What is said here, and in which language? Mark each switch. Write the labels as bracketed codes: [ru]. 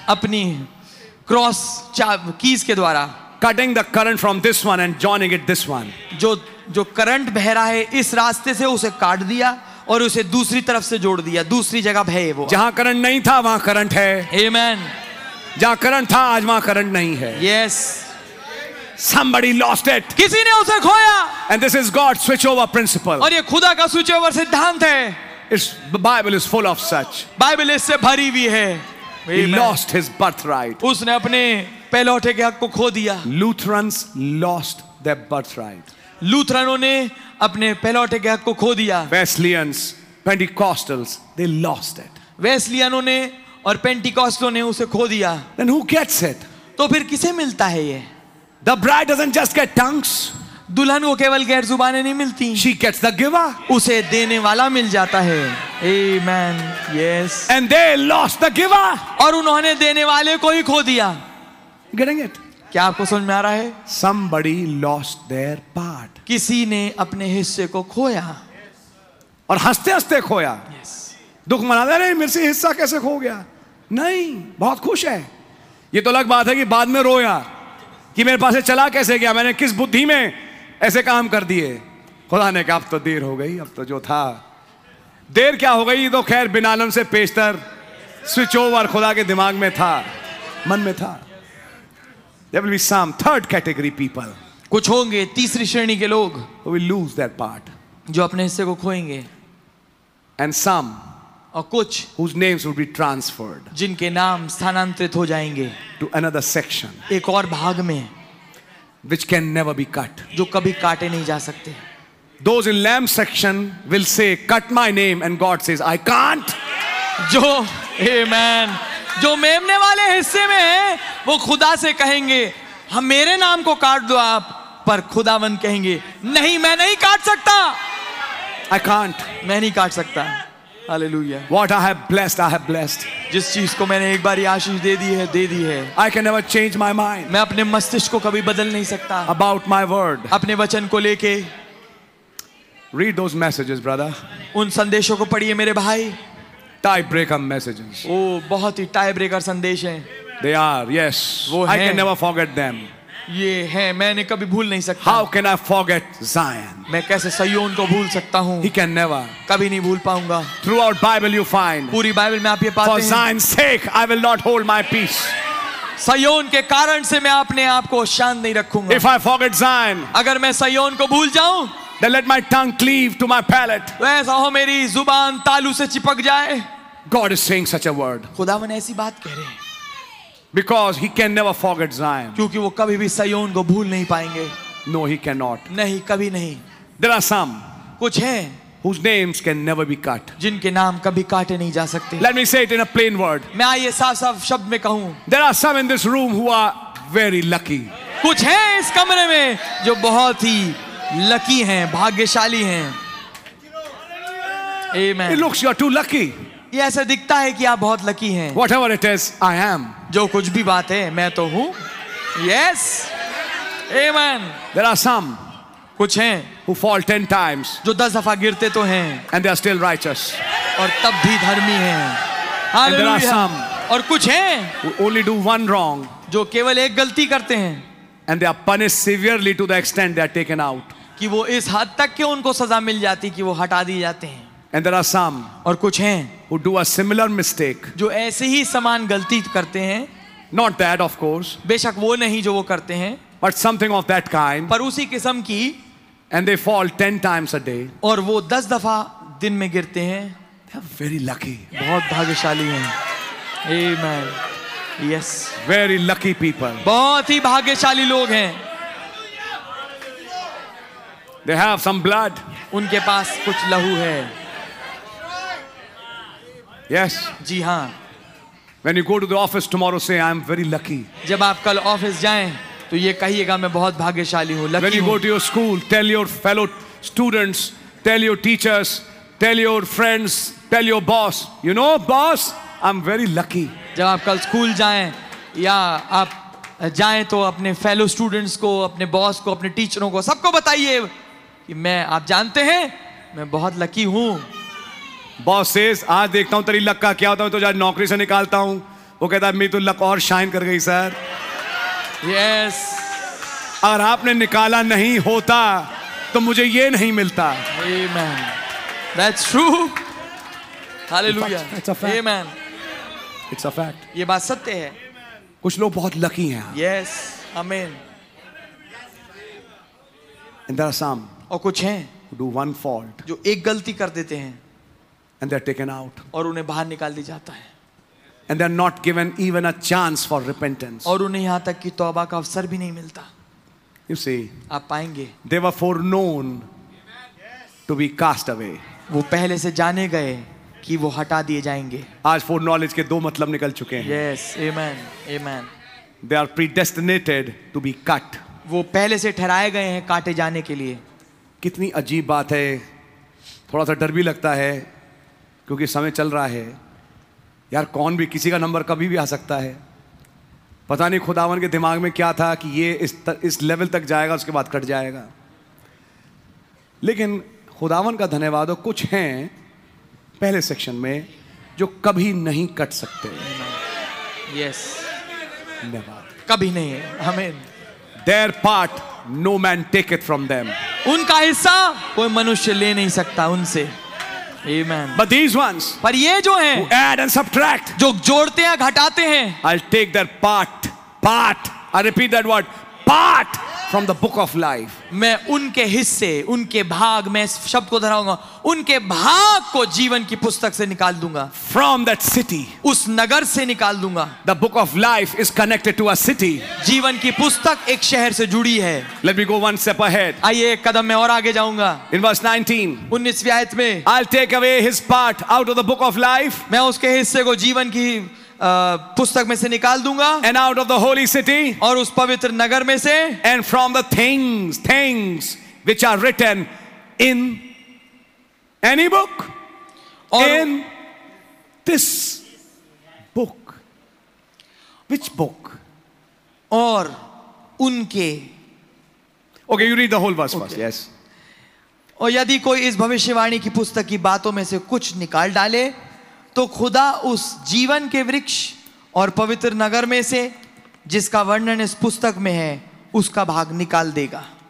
[hi] अपनी cross keys के द्वारा. [en] Cutting the current from this one and joining it this one. [hi] जो current बह रहा है इस रास्ते से उसे काट दिया और उसे दूसरी तरफ से जोड़ दिया. दूसरी जगह है वो. जहां करंट नहीं था वहां करंट है. [en] Amen. [hi] जहां करंट था आज वहां करंट नहीं है. [en] Yes. Somebody lost it. [hi] किसी ने उसे खोया. [en] And this is God's switchover principle. [hi] और ये खुदा का switchover सिद्धांत है. [en] It's, the Bible is full of such. [hi] Bible इससे भरी हुई है. [en] He lost his birthright. [hi] उसने अपने पहलौठे के हक को खो दिया. [en] Lutherans lost their birthright. [hi] लूथरनों ने अपने पहलौठे के हक को खो दिया. [en] Wesleyans, Pentecostals, they lost it. [hi] वेस्लियनों ने और पेंटिकॉस्टलों ने उसे खो दिया. [en] Then who gets it? [hi] तो फिर किसे मिलता है ये? [en] The bride doesn't just get tongues. [hi] दुल्हन को केवल गैर जुबानें नहीं मिलती. [en] She gets the giver. [hi] उसे देने वाला मिल जाता है. [en] Amen. Yes. And they lost the giver. [hi] और उन्होंने देने वाले को ही खो दिया. [en] Getting it? [hi] क्या आपको समझ में आ रहा है? [en] Somebody lost their part. [hi] किसी ने अपने हिस्से को खोया. और हंसते हंसते खोया. [en] Yes. [hi] दुख मनाते रहे मेरे से हिस्सा कैसे खो गया. नहीं, बहुत खुश है. ये तो अलग बात है कि बाद में रोया कि मेरे पास चला कैसे गया. मैंने किस बुद्धि में ऐसे काम कर दिए. खुदा ने कहा अब तो देर हो गई. अब तो जो था देर क्या हो गई. तो खैर बिनालम से पेशतर स्विच ओवर खुदा के दिमाग में था, मन में था. [en] There will be some third category people. [hi] कुछ होंगे तीसरी श्रेणी के लोग. [en] Who will lose their part. [hi] जो अपने हिस्से को खोएंगे. [en] And some. [hi] और कुछ. [en] Whose names will be transferred. [hi] जिनके नाम स्थानांतरित हो जाएंगे. [en] To another section. [hi] एक और भाग में. [en] Which can never be cut. [hi] जो कभी काटे नहीं जा सकते. [en] Those in lamb section will say, "Cut my name," and God says, "I can't." [hi] जो, amen. जो मेमने वाले हिस्से में है वो खुदा से कहेंगे हम मेरे नाम को काट दो आप. पर खुदावन कहेंगे नहीं मैं नहीं काट सकता. [en] I can't. [hi] मैं नहीं काट सकता. Hallelujah. [en] What I have blessed. [hi] जिस चीज को मैंने एक बार आशीष दे दी है. [en] I can never change my mind. [hi] मैं अपने मस्तिष्क को कभी बदल नहीं सकता. [en] About my word. [hi] अपने वचन को लेके. [en] Read those messages, brother. [hi] उन संदेशों को पढ़िए मेरे भाई. [en] Tie breaker messages. [hi] Oh, बहुत ही tie breaker संदेश हैं. [en] They are, yes. [hi] वो हैं. [en] I can never forget them. [hi] ये हैं, मैंने कभी भूल नहीं सकता. [en] How can I forget Zion? [hi] मैं कैसे सिय्योन को भूल सकता हूँ? [en] He can never. [hi] कभी नहीं भूल पाऊँगा. [en] Throughout Bible you find. [hi] पूरी बाइबल में आप ये पाते हैं. [en] For Zion's sake, I will not hold my peace. [hi] सिय्योन के कारण से मैं अपने आप को शांत नहीं रखूंगा. [en] If I forget Zion. [hi] अगर मैं सिय्योन को भूल जाऊँ. [en] Then let my tongue cleave to my palate. [hi] ऐसा हो मेरी जुबान तालू से चिपक जाए. [en] God is saying such a word. [hi] खुदावन ऐसी बात कह रहे हैं. [en] Because he can never forget Zion. [hi] क्योंकि वो कभी भी सिय्योन को भूल नहीं पाएंगे. [en] No, he cannot. [hi] नहीं, कभी नहीं. [en] There are some. [hi] कुछ हैं. [en] Whose names can never be cut. [hi] जिनके नाम कभी काटे नहीं जा सकते. [en] Let me say it in a plain word. [hi] मैं आइए साफ-साफ शब्द में कहूँ. [en] There are some in this room who are very lucky. [hi] कुछ हैं इस कमरे में जो बहुत ही लकी हैं, भाग्यशाली हैं. [en] Amen. It looks you are too lucky. [hi] ये ऐसा दिखता है कि आप बहुत लकी हैं. [en] Whatever it is, I am. [hi] जो कुछ भी बात है, मैं तो हूँ. [en] Yes. Amen. There are some. [hi] कुछ हैं. [en] Who fall 10 times. [hi] जो 10 दफा गिरते तो हैं. [en] And they are still righteous. [hi] और तब भी धर्मी हैं. [en] And there are some. [hi] और कुछ हैं. [en] Who only do one wrong. [hi] जो केवल एक गलती करते हैं. [en] And they are punished severely to the extent they are taken out. [hi] कि वो इस हद तक के उनको सजा मिल जाती कि वो हटा दिए जाते हैं. [en] And there are some. [hi] और कुछ हैं. [en] Who do a similar mistake. [hi] जो ऐसे ही समान गलती करते हैं. [en] Not that, of course. [hi] बेशक वो नहीं जो वो करते हैं. [en] But something of that kind. [hi] पर उसी किस्म की. [en] And they fall 10 times a day. [hi] और वो 10 दफा दिन में गिरते हैं. [en] They are very lucky. [hi] बहुत भाग्यशाली हैं. Amen. Yes. [en] Very lucky people. [hi] बहुत ही भाग्यशाली लोग हैं. [en] They have some blood. [hi] उनके पास कुछ लहू है. [en] Yes. [hi] जी हाँ. [en] When you go to the office tomorrow, say I am very lucky. [hi] जब आप कल ऑफिस जाएं, तो ये कहिएगा मैं बहुत भाग्यशाली हूँ, लकी हूँ. [en] When you go to your school, tell your fellow students, tell your teachers, tell your friends, tell your boss. You know, boss, I'm very lucky. [hi] जब आप कल स्कूल जाएं या आप जाएं तो अपने फेलो स्टूडेंट्स को, अपने बॉस को, अपने टीचरों को, सबको बताइए कि मैं, आप जानते हैं, मैं बहुत लकी हूँ. [en] boss says, [hi] आज देखता हूँ तेरी लक का क्या होता है, तो आज नौकरी से निकालता हूँ. वो कहता है मेरी तो लक और शाइन कर गई सर. [en] Yes. [hi] अगर आपने निकाला नहीं होता तो मुझे ये नहीं मिलता. आमेन. [en] That's true. [hi] Hallelujah. [en] It's a fact. [hi] Amen. [en] It's a fact. [hi] ये बात सत्य है. कुछ लोग बहुत लकी हैं. [en] Yes, amen. And there are some. [hi] और कुछ हैं. [en] Who do one fault. [hi] जो एक गलती कर देते हैं. [en] And they're taken out. [hi] और उन्हें बाहर निकाल दिया जाता है. [en] And they're not given even a chance for repentance. [hi] और उन्हें यहाँ तक कि तौबा का अवसर भी नहीं मिलता. [en] You see. [hi] आप पाएंगे. [en] They were foreknown to be cast away. [hi] वो पहले से जाने गए. कि वो हटा दिए जाएंगे. आज फोर नॉलेज के दो मतलब निकल चुके हैं. [en] Yes, amen, amen. They are predestinated to be cut. [hi] वो पहले से ठहराए गए हैं काटे जाने के लिए. कितनी अजीब बात है. थोड़ा सा डर भी लगता है क्योंकि समय चल रहा है यार. कौन भी, किसी का नंबर कभी भी आ सकता है. पता नहीं खुदावन के दिमाग में क्या था कि ये इस लेवल तक जाएगा, उसके बाद कट जाएगा. लेकिन खुदावन का धन्यवाद हो, कुछ हैं पहले सेक्शन में जो कभी नहीं कट सकते. [en] Yes. Never. [hi] कभी नहीं. Amen. [en] Their part, no man take it from them. [hi] उनका हिस्सा कोई मनुष्य ले नहीं सकता उनसे. [en] Amen. But these ones, [hi] पर ये जो हैं, [en] who add and subtract, [hi] जो जोड़ते हैं घटाते हैं, [en] I'll take their part, part. I repeat that word, part from the book of life. [hi] मैं उनके हिस्से, उनके भाग, मैं इस शब्द को धराऊंगा, उनके भाग को जीवन की पुस्तक से निकाल दूंगा. [en] From that city, [hi] उस नगर से निकाल दूंगा. [en] The book of life is connected to a city. [hi] जीवन की पुस्तक एक शहर से जुड़ी है. [en] Let me go one step ahead. [hi] आइए एक कदम में और आगे जाऊंगा. [en] In verse 19, [hi] 19वीं आयत में, [en] I'll take away his part out of the book of life. [hi] मैं उसके हिस्से को जीवन की पुस्तक में से निकाल दूंगा. [en] And out of the holy city, [hi] और उस पवित्र नगर में से. [en] And from the things which are written in any book, in this book, which book? [hi] और उनके. [en] Okay, you read the whole verse. Okay. First. Yes. [hi] और यदि कोई इस भविष्यवाणी की पुस्तक की बातों में से कुछ निकाल डाले तो खुदा उस जीवन के वृक्ष और पवित्र नगर में से जिसका वर्णन इस पुस्तक में है उसका भाग निकाल देगा.